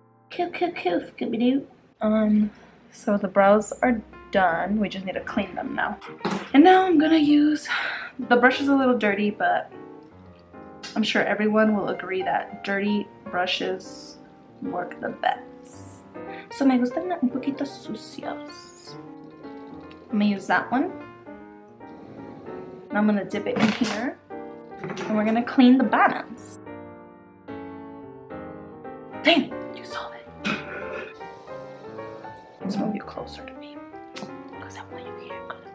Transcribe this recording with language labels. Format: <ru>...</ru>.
<en>Kill, kill, kill, Scooby-Doo. So the brows are done. We just need to clean them now. And now I'm gonna use, the brush is a little dirty, but I'm sure everyone will agree that dirty brushes work the best.</en> <es>So me gustan un poquito sucios.</es> <en>I'm gonna use that one. And I'm gonna dip it in here. And we're gonna clean the bottoms. Damn, you saw it. Let's move you closer to me. Because I want you here.</en>